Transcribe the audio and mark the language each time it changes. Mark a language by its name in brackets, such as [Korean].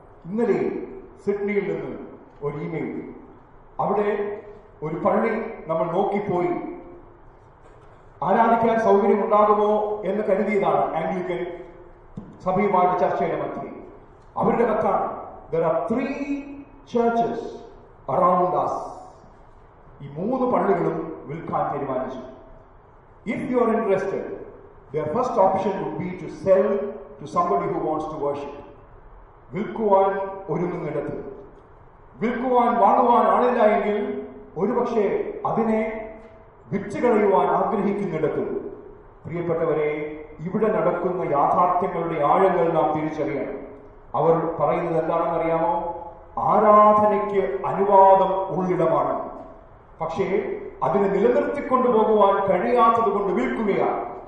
[Malayalam] ഇന്നലെ സിഡ്നിയിൽ നിന്ന് ഒരു ഇമെയിൽ, അവിടെ ഒരു പള്ളി നമ്മൾ നോക്കിപ്പോയി, ആരാധിക്കാൻ സൗകര്യമുണ്ടാകുമോ എന്ന് കരുതിയതാണ് ആംഗ്ലിക്കൻ സഭയുമായി ചർച്ചയുടെ മധ്യേ. അവരുടെ കത്താണ്, [English] there are three churches around us. [Malayalam] ഈ മൂന്ന് പള്ളികളും വിൽക്കാൻ തീരുമാനിച്ചു. [English] If you are interested, their first option would be to sell to somebody who wants to worship. [Malayalam] വിൽക്കുവാൻ ഒരുങ്ങുന്നിടത്ത്, വിൽക്കുവാൻ വാങ്ങുവാൻ ആളില്ല എങ്കിൽ ഒരുപക്ഷെ അതിനെ വിറ്റ് കളയുവാൻ ആഗ്രഹിക്കുന്നിടത്തും. പ്രിയപ്പെട്ടവരെ, ഇവിടെ നടക്കുന്ന യാഥാർത്ഥ്യങ്ങളുടെ ആഴങ്ങൾ നാം തിരിച്ചറിയണം. അവർ പറയുന്നത് എന്താണെന്നറിയാമോ? ആരാധനയ്ക്ക് അനുവാദം ഉള്ളിടമാണ്, പക്ഷേ അതിനെ നിലനിർത്തിക്കൊണ്ടു പോകുവാൻ കഴിയാത്തത് കൊണ്ട് വിൽക്കുകയാണ്.